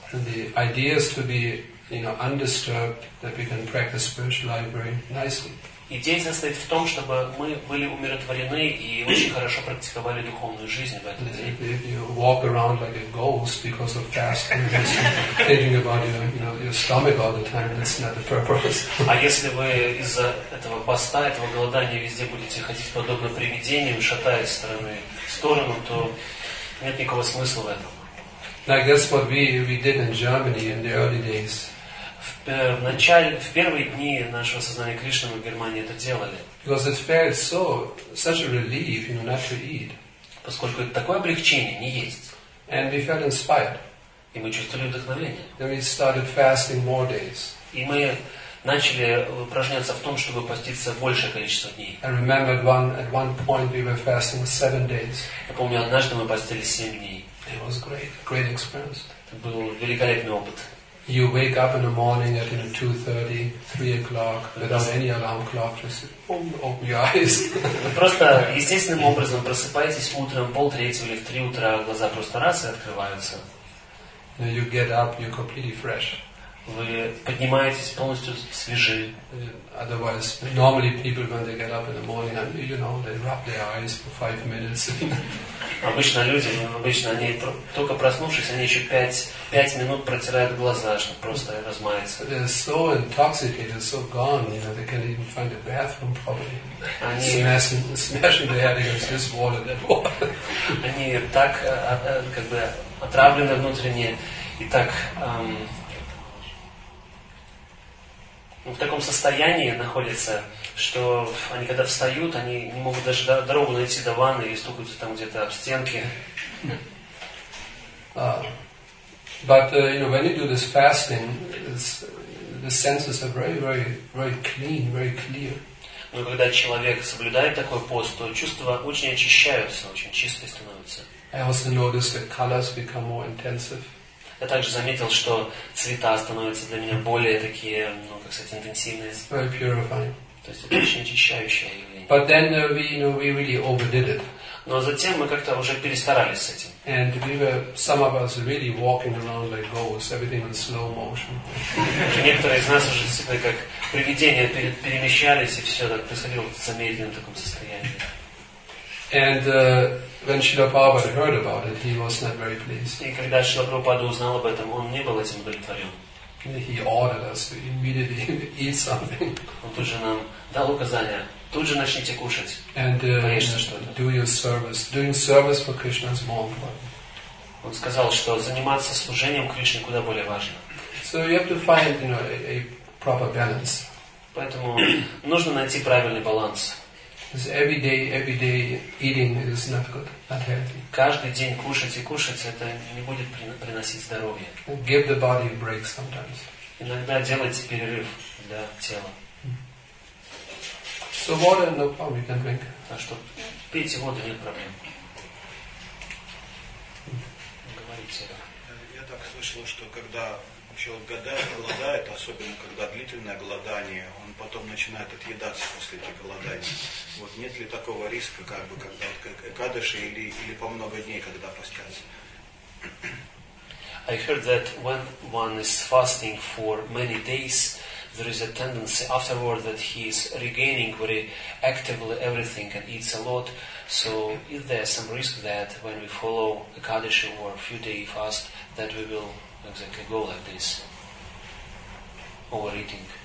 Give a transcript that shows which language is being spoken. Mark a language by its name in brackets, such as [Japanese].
[English] And the idea is to be, you know, undisturbed, that we can practice spiritual life very nicely. [Russian] Идея состоит в том, чтобы мы были умиротворены и очень хорошо практиковали духовную жизнь в этот день. [English] If you walk around like a ghost because of fasting, just thinking about your stomach all the time, that's not the purpose. [Russian] А если вы из-за этого поста, этого голодания везде будете ходить подобно привидениям, шатаясь стороны в сторону, то нет никакого смысла в этом. [English] Like that's what we did in Germany in the early days. [Russian] В первые дни нашего сознания Кришны мы в Германии это делали. [English] Because it felt so such a relief, you know, not to eat. [Russian] Поскольку это такое облегчение не есть. [English] And we felt inspired. [Russian] И мы чувствовали вдохновение. [English] Then we started fasting more days. [Russian] И мы начали упражняться в том, чтобы поститься большее количество дней. [English] I remember at one point we were fasting 7 days. [Russian] Я помню, однажды мы постили 7 дней. [English] It was great experience. [Russian] Это был великолепный опыт. [English] You wake up in the morning at 2:30, 3 o'clock, without any alarm clock, just open your eyes. [Russian] Вы просто естественным образом просыпаетесь утром 2:30 или 3 утра, глаза просто раз и открываются. [English] You get up, you're completely fresh. [Russian] Вы поднимаетесь полностью свежи. [English] Otherwise, normally people when they get up in the morning, you know, they rub their eyes for 5 minutes. [Russian] Обычно люди, обычно они только проснувшись, они еще пять минут протирают глаза, чтобы просто размяться. [English] They're so intoxicated, so gone, you know, they can't even find a bathroom probably. [Russian] Они [English] smashing their head against this wall and that wall. [Russian] Они так как бы отравлены внутренне и так. В таком состоянии находятся, что они когда встают, они не могут даже дорогу найти до ванны и стукаются там где-то об стенки. [English] But you know, when you do this fasting, the senses are very, very, very clean, very clear. [Russian] Но когда человек соблюдает такой пост, то чувства очень очищаются, очень чистые становятся. [English] I also noticed that colors become more intensive. [Russian] Я также заметил, что цвета становятся для меня более такие, ну, как сказать, интенсивные. [English] Very purifying. [Russian] То есть это очень очищающее явление. [English] But then we, you know, we really overdid it. [Russian] Но затем мы как-то уже перестарались с этим. [English] And we were, some of us really walking around like ghosts, everything in slow motion. [Russian] Некоторые из нас уже себя как привидения перемещались, и все так происходило в замедленном таком состоянии. [English] And when Srila Prabhupada heard about it, he was not very pleased. [Russian] И когда Шрила Прабхупада узнал об этом, он не был этим удовлетворен. [English] He ordered us to immediately eat something. [Russian] Он тут же нам дал указание: тут же начните кушать. [English] And [Russian] поешьте что-то. [English] Do your service. Doing service for Krishna is more important. [Russian] Он сказал, что заниматься служением Кришне куда более важно. [English] So you have to find, you know, a proper balance. [Russian] Поэтому нужно найти правильный баланс. [English] Because every day eating is not good, not healthy. [Russian] Каждый день кушать и кушать это не будет приносить здоровья. [English] Give the body a break sometimes. [Russian] Иногда делайте перерыв для тела. [English] So water, no problem, you can drink. [Russian] А что? Пейте воду, нет проблем. Говорите. Я так слышал, что когда человек голодает, особенно когда длительное голодание, он потом начинает отъедаться после этих голоданий. Вот нет ли такого риска, как бы, когда вот экадыши или по много дней, когда постятся? [English] I heard that when one is fasting for many days, there is a tendency afterward that he is regaining very actively everything and eats a lot. So is there some risk that when we follow Ekadashi or a few day fast, that we will exactly go like this, overeating?